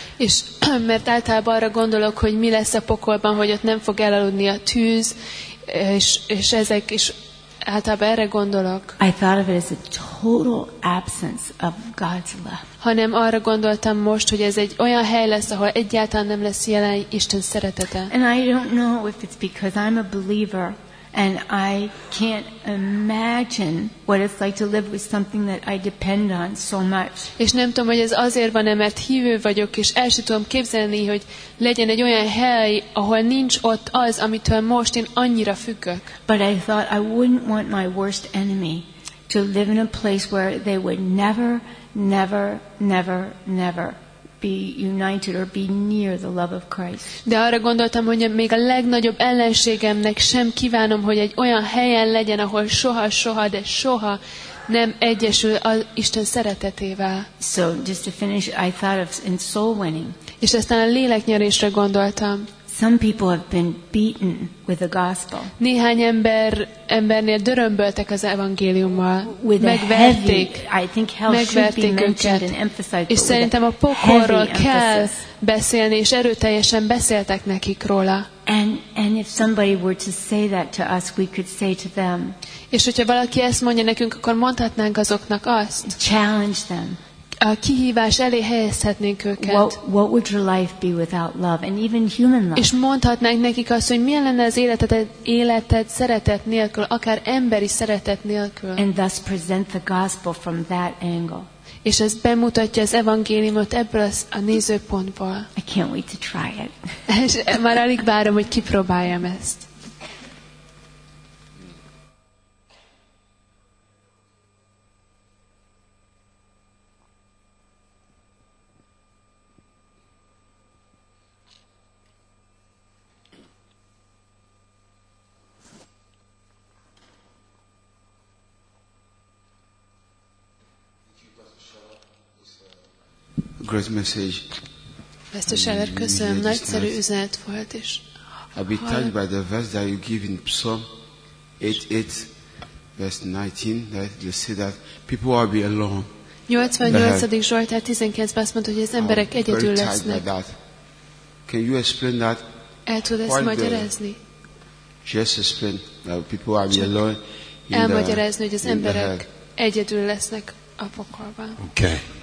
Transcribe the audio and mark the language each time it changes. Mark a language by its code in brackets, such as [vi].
[hu] És mert általában arra gondolok, hogy mi lesz a pokolban, hogy ott nem fog elaludni a tűz, és ezek is. Általában erre gondolok. [en] I thought of it as a total absence of God's love. [hu] Hanem arra gondoltam most, hogy ez egy olyan hely lesz, ahol egyáltalán nem lesz jelen Isten szeretete. [en] And I don't know if it's because I'm a believer and I can't imagine what it's like to live with something that I depend on so much. [hu] És nem tudom, hogy ez azért van, mert hívő vagyok, és el sem tudom képzelni, hogy legyen egy olyan hely, ahol nincs ott az, amitől most én annyira függök. [en] But I thought I wouldn't want my worst enemy to live in a place where they would never, never, never, never be united or be near the love of Christ. [hu] De arra gondoltam, hogy még a legnagyobb ellenségemnek sem kívánom, hogy egy olyan helyen legyen, ahol soha, soha, de soha nem egyesül az Isten szeretetével. [en] So just to finish, I thought of in soul winning. [hu] És aztán a léleknyerésre gondoltam. [en] Some people have been beaten with the gospel. [hu] Néhány embernél dörömböltek az evangéliummal. Megverték. [en] I think hell should be mentioned and emphasized. [hu] És szerintem a pokolról kell beszélni, és erőteljesen beszéltek nekik róla. [en] And if somebody were to say that to us, we could say to them. [hu] És hogyha valaki ezt mondja nekünk, akkor mondhatnánk azoknak azt. [en] Challenge them. [hu] A kihívás elé helyezhetnénk őket. [en] What would your life be without love and even human love? [hu] És mondhatnánk nekik azt, hogy milyen lenne az életed szeretet nélkül, akár emberi szeretet nélkül. [en] And thus present the gospel from that angle. [hu] És ez bemutatja az evangéliumot ebből a nézőpontból. [en] I can't wait to try it. [hu] És már alig várom, hogy kipróbáljam ezt. [en] Great message. [hu] Pastor Scheller, köszönöm, nagyszerű üzenet volt, és [en] I'll be touched by the verse that you give in Psalm 88, verse 19, that you say that people will be alone. [hu] 88. Zsoltár 19-ben azt mondta, hogy az emberek egyedül lesznek. [en] Can you explain that? [hu] El tud ezt magyarázni? [en] Just explain that people will be alone. [hu] Elmagyarázni, hogy az emberek egyedül lesznek a pokolban. [en] Okay.